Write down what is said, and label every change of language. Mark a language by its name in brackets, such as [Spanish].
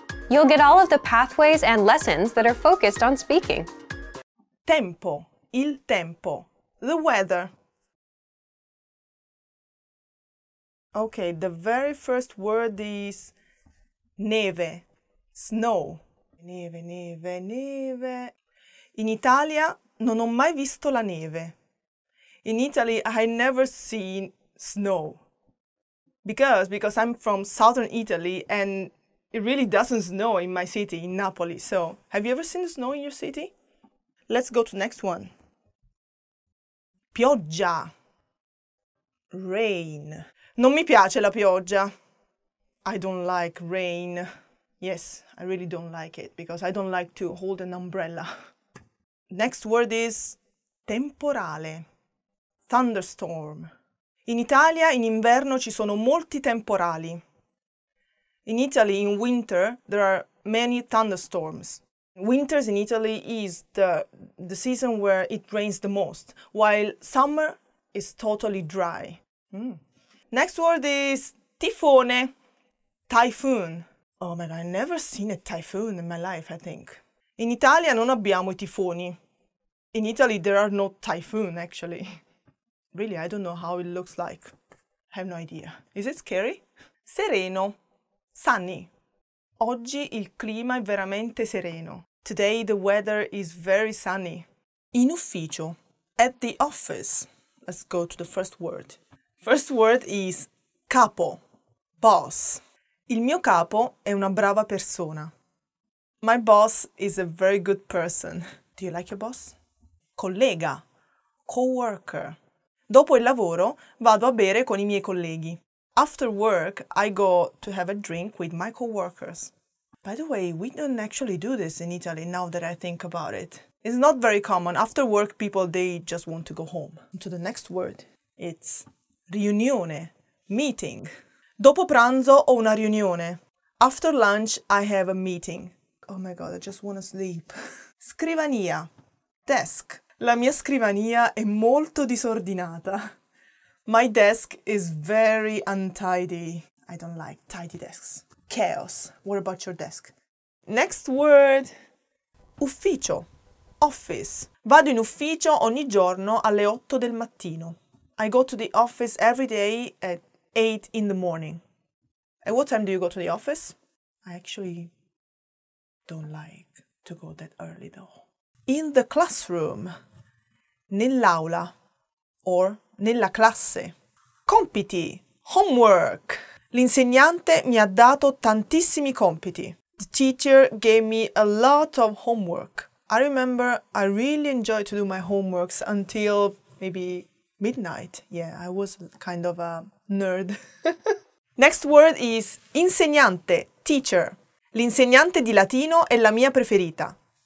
[English] You'll get all of the pathways and lessons that are focused on speaking. [Italian] Tempo, il tempo, the weather. [English] Okay, the very first word is neve, snow. [Italian] Neve, neve, neve. In Italia non ho mai visto la neve. [English] In Italy, I never seen snow. Because I'm from southern Italy and it really doesn't snow in my city, in Napoli. So, have you ever seen the snow in your city? Let's go to next one. Pioggia. Rain. [Italian] Non mi piace la pioggia. [English] I don't like rain. Yes, I really don't like it because I don't like to hold an umbrella. Next word is temporale. Thunderstorm. [Italian] In Italia in inverno ci sono molti temporali. [English] In Italy in winter there are many thunderstorms. Winters in Italy is the season where it rains the most, while summer is totally dry. Next word is tifone, typhoon. Oh my god, I've never seen a typhoon in my life, I think. [Italian] In Italia non abbiamo I tifoni. [English] In Italy there are no typhoon, actually. Really, I don't know how it looks like. I have no idea. Is it scary? Sereno, sunny. [Italian] Oggi il clima è veramente sereno. [English] Today the weather is very sunny. [Italian] In ufficio, [English] at the office. Let's go to the first word. First word is capo, boss. [Italian] Il mio capo è una brava persona. [English] My boss is a very good person. Do you like your boss? Collega, co-worker. [Italian] Dopo il lavoro vado a bere con I miei colleghi. [English] After work, I go to have a drink with my co-workers. By the way, we don't actually do this in Italy now that I think about it. It's not very common. After work, people, they just want to go home. To the next word. It's riunione, meeting. [Italian] Dopo pranzo ho una riunione. [English] After lunch, I have a meeting. Oh my god, I just want to sleep. Scrivania, desk. [Italian] La mia scrivania è molto disordinata. [English] My desk is very untidy. I don't like tidy desks. Chaos. What about your desk? Next word. Ufficio. Office. [Italian] Vado in ufficio ogni giorno alle 8 del mattino. [English] I go to the office every day at 8 in the morning. At what time do you go to the office? I actually don't like to go that early though. In the classroom. Nell'aula. [Italian] Or nella classe. Compiti. Homework. L'insegnante mi ha dato tantissimi compiti. [English] The teacher gave me a lot of homework. I remember I really enjoyed to do my homeworks until maybe midnight. Yeah, I was kind of a nerd. Next word is insegnante, teacher. [Italian] L'insegnante di latino è la mia preferita.